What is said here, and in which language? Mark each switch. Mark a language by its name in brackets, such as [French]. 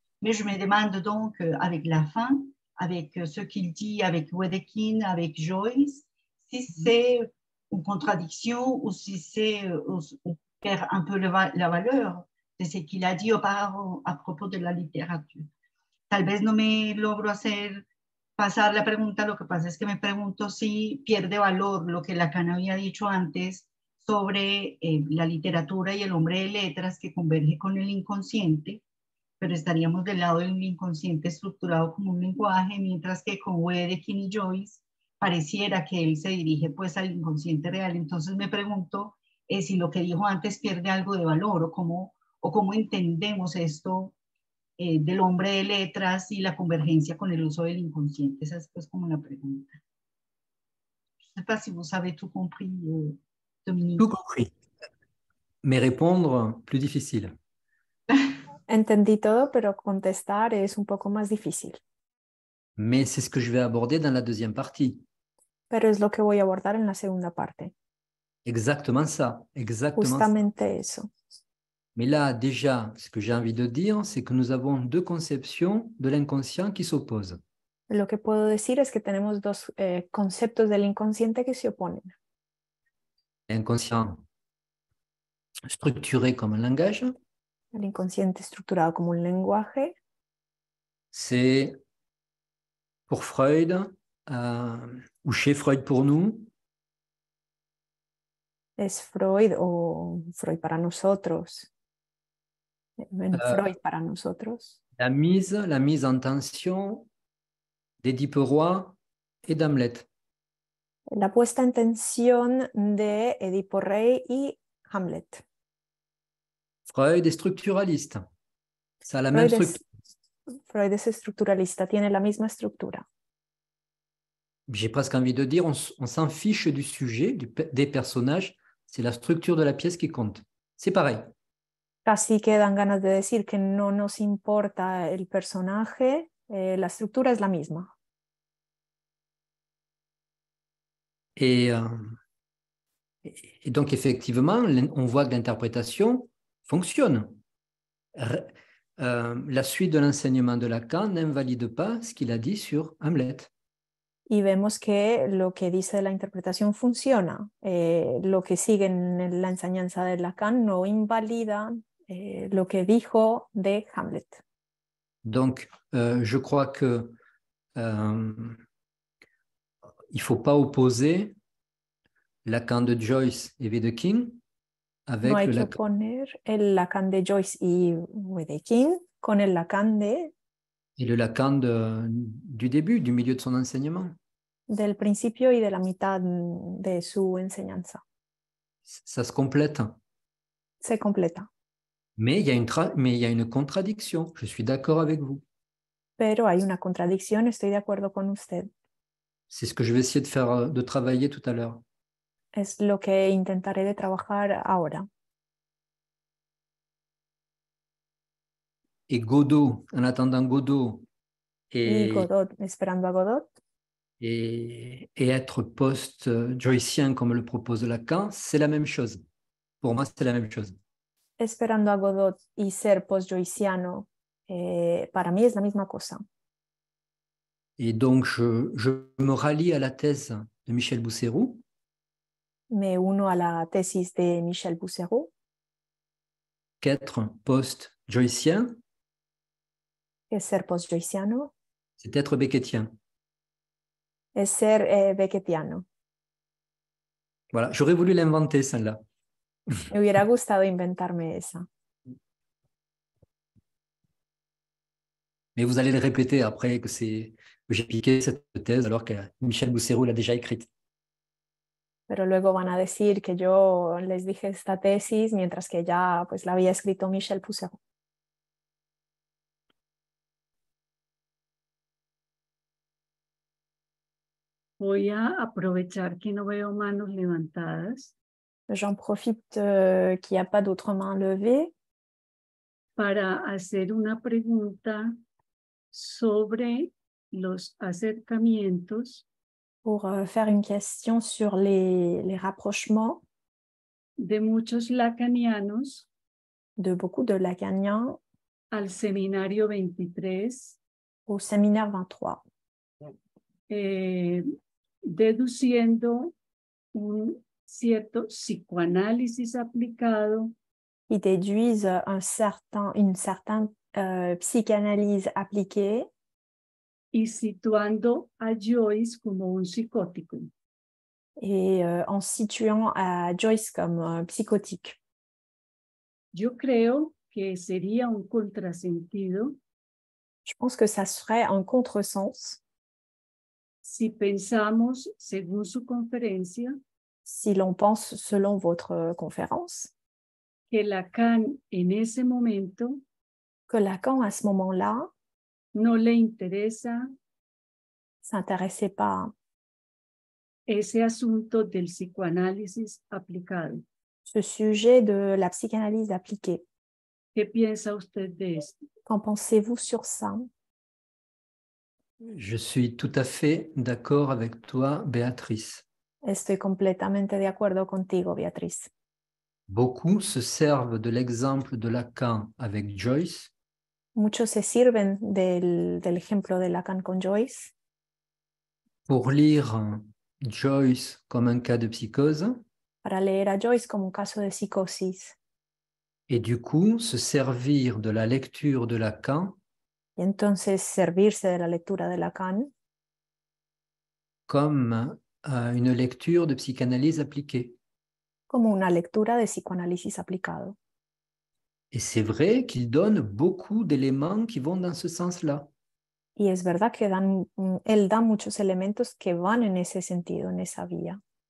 [French] Mais je me demande donc, avec la fin, avec ce qu'il dit, avec Wedekind, avec Joyce, si c'est... une contradiction ou si c'est ou perd un peu la valeur de ce qu'il a dit auparavant à propos de la littérature. [Spanish] Talvez no me logro hacer pasar la pregunta, lo que pasa es que me pregunto si pierde valor lo que Lacan había dicho antes sobre la literatura y el hombre de letras que converge con el inconsciente, pero estaríamos del lado de un inconsciente estructurado como un lenguaje, mientras que con Wedekind y Joyce pareciera que él se dirige pues al inconsciente real. Entonces me pregunto si lo que dijo antes pierde algo de valor o cómo entendemos esto del hombre de letras y la convergencia con el uso del inconsciente. Esa es pues como la pregunta. [French] Je ne sais pas si vous avez tout compris, Dominique. Tout compris. Mais répondre, plus difficile. [Spanish] Entendí todo, pero contestar es un poco más difícil. [French] Mais c'est ce que je vais aborder dans la deuxième partie. [Spanish] Pero es lo que voy a abordar en la segunda parte. [French] Exactement ça. Exactement [Spanish] justamente [French] ça. [Spanish] Eso. [French] Mais là, déjà, ce que j'ai envie de dire, c'est que nous avons deux conceptions de l'inconscient qui s'opposent. [Spanish] Lo que puedo decir es que tenemos dos conceptos del inconsciente que se oponen. [French] L'inconscient structuré comme un langage. [Spanish] El inconsciente estructurado como un lenguaje. [French] C'est pour Freud... ou chez Freud pour nous. [Spanish] Es Freud o Freud para nosotros. Freud para nosotros. [French] La mise en tension d'Édipe Roy et d'Hamlet. [Spanish] La puesta en tensión de Edipo Rey y Hamlet. [French] Freud est structuraliste. Ça a la même structure. [Spanish] Freud es estructuralista, tiene la misma estructura. [French] J'ai presque envie de dire, on s'en fiche du sujet, des personnages, c'est la structure de la pièce qui compte. C'est pareil. [Spanish] Casi quedan ganas de decir que no nos importa el personaje, la estructura es la misma. [French] Et donc, effectivement, on voit que l'interprétation fonctionne. La suite de l'enseignement de Lacan n'invalide pas ce qu'il a dit sur Hamlet. [Spanish] Y vemos que lo que dice de la interpretación funciona. Lo que sigue en la enseñanza de Lacan no invalida lo que dijo de Hamlet. [French] Donc, je crois que il ne faut pas opposer Lacan de Joyce et Wedekind avec [Spanish] no hay que poner el Lacan de Joyce y Wedekind con el Lacan de... [French] Et le Lacan de, du début, du milieu de son enseignement. [Spanish] Del principio y de la mitad de su enseñanza. [French] Ça se complète. [Spanish] Se completa. [French] Mais il y a une contradiction, je suis d'accord avec vous. [Spanish] Pero hay una contradicción, estoy de acuerdo con usted. [French] C'est ce que je vais essayer de travailler tout à l'heure. [Spanish] Es lo que intentaré de trabajar ahora. [French] Et Godot, en attendant Godot. [Spanish] Y Godot, esperando a Godot. [French] et être post-joycien, comme le propose Lacan, c'est la même chose. Pour moi, c'est la même chose. [Spanish] Esperando a Godot y ser post-joyciano, para mí es la misma cosa. [French] Et donc, je me rallie à la thèse de Michel Bousséroux. [Spanish] Me uno a la tesis de Michel Bousséroux. [French] Qu'être post-joycien. Et [Spanish] ser post-joyciano. [French] C'est être becketien. Et [Spanish] ser becketiano. [French] Voilà, j'aurais voulu l'inventer, celle-là. [Spanish] Me hubiera gustado inventarme esa. [French] Mais vous allez le répéter après que c'est... j'ai piqué cette thèse alors que Michel Bousséroux l'a déjà écrite. [Spanish] Pero luego van a decir que yo les dije esta tesis mientras que ya pues la había escrito Michel Bousséroux. Voy a aprovechar que no veo manos levantadas. [French] J'en profite qu'il n'y a pas d'autres mains levées. [Spanish] Para hacer una pregunta sobre los acercamientos. [French] Pour faire une question sur les rapprochements. [Spanish] De muchos lacanianos. [French] De beaucoup de lacaniens. [Spanish] Al seminario 23. [French] Au séminaire 23. [Spanish] Deduciendo un cierto psicoanálisis aplicado. [French] Ils déduisent une certaine psychanalyse appliquée. [Spanish] Y situando a Joyce como un psicótico. [French] Et en situant à Joyce comme psychotique. [Spanish] Yo creo que sería un contrasentido. [French] Je pense que ça serait un contresens. [Spanish] Si pensamos según su conferencia, [French] si l'on pense selon votre conférence, [Spanish] que Lacan en ese momento, [French] que Lacan à ce moment-là, [Spanish] no le interesa, [French] s'intéressait pas [Spanish] ese asunto del psicoanálisis aplicado, [French] ce sujet de la psychanalyse appliquée. [Spanish] ¿Qué piensa usted de esto? [French] Qu'en pensez-vous sur ça? Je suis tout à fait d'accord avec toi, Béatrice. [Spanish] Estoy completamente de acuerdo contigo, Beatrice. [French] Beaucoup se servent de l'exemple de Lacan avec Joyce. [Spanish] Muchos se sirven del ejemplo de Lacan con Joyce. [French] Pour lire Joyce comme un cas de psychose. [Spanish] Para leer a Joyce como un caso de psicosis. [French] Et du coup, se servir de la lecture de Lacan. [Spanish] Y entonces servirse de la lectura de Lacan. [French] Comme une lecture de psychanalyse appliquée. [Spanish] Como una lectura de psicoanálisis aplicado. [French] Et c'est vrai qu'il donne beaucoup d'éléments qui vont dans ce sens-là. [Spanish] Y es verdad que él da muchos elementos que van en ese sentido, en esa vía.